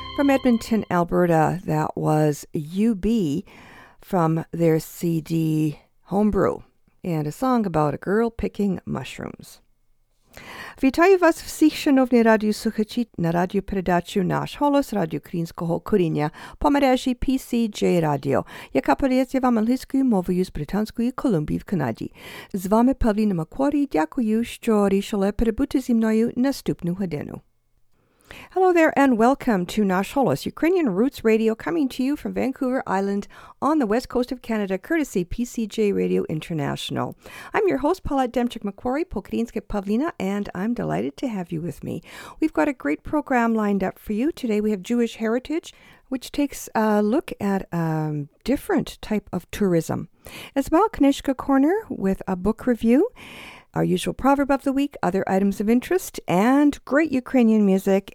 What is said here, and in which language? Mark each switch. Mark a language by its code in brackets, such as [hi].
[en] Edmonton, Alberta, that was UB from their CD Homebrew, and a song about a girl picking mushrooms. [uk] Вітаю вас всіх, шановні радіо слухачі, на радіо передачу «Наш голос» радіо Українського коріння по мережі PCJ Radio, яка передається вам англійською мовою з Британської Колумбії в Канаді. З вами Павліна Макворі, дякую, що рішили перебути зі мною наступну годину. [en] Hello there and welcome to Nash Holos, Ukrainian Roots Radio, coming to you from Vancouver Island on the west coast of Canada, courtesy PCJ Radio International. I'm your host, Paulette Demchik-McQuarrie, Pokrinske Pavlina, and I'm delighted to have you with me. We've got a great program lined up for you. Today we have Jewish Heritage, which takes a look at a different type of tourism, as well Knishka Corner with a book review, our usual proverb of the week, other items of interest, and great Ukrainian music.